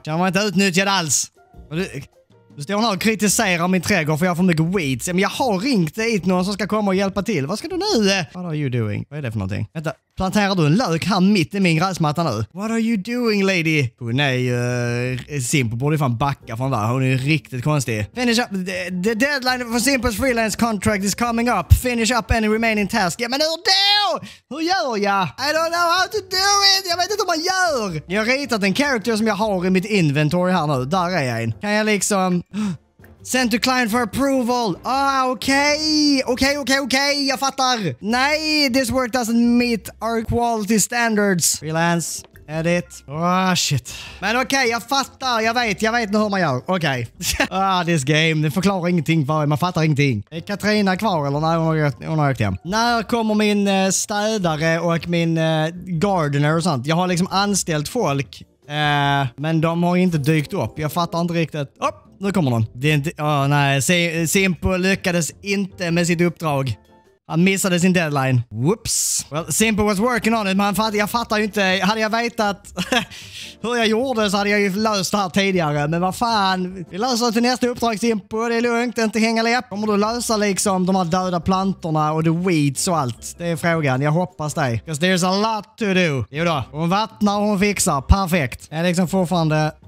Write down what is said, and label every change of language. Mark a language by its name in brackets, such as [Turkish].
[Swedish] Jag var inte utnyttjad alls. Du står här och kritiserar min trädgård för jag har för mycket weeds. Men jag har ringt dit någon som ska komma och hjälpa till. Vad ska du nu? [English] What are you doing? [Swedish] Vad är det för någonting? Vänta, planterar du en lök här mitt i min gräsmatta nu? [English] What are you doing, lady? [Swedish] Hon är ju... Simpo borde ju fan backa från där. Hon är ju riktigt konstig. [English] Finish up... The deadline for Simpo's freelance contract is coming up. Finish up any remaining task. [Swedish] Ja, men hur då? Hur gör jag? [English] I don't know how to do it! [Swedish] Jag vet inte vad man gör! Jag har ritat en character som jag har i mitt inventory här nu. Där är jag en. Kan jag liksom... [English] Send to client for approval. [Swedish] Okej. Jag fattar. [English] Nej, this work doesn't meet our quality standards. [Swedish] Freelance. [English] Edit. Shit. [Swedish] Men okej, jag fattar. Jag vet nu hur man gör. Okej. [English] this game. [Swedish] Det förklarar ingenting för mig. Man fattar ingenting. Är Katrina kvar eller? Nej, hon har ökt hem. När kommer min städare och min gardener och sånt? Jag har liksom anställt folk. Men de har inte dykt upp. Jag fattar inte riktigt. Upp. Nu kommer någon. Det är inte... Simpo lyckades inte med sitt uppdrag. Han missade sin deadline. [English] Whoops. Well, Simpo was working on it, [Swedish] men jag fattar ju inte. Hade jag vetat hur jag gjorde så hade jag ju löst det här tidigare. Men vad fan? Vi löser det till nästa uppdrag, Simpo. Det är lugnt, inte hänga läpp. Kommer du lösa liksom de här döda plantorna och the weeds och allt? Det är frågan. Jag hoppas dig. [English] Because there's a lot to do. [Swedish] Jo då. Hon vattnar och hon fixar. Perfekt. Jag är liksom fortfarande...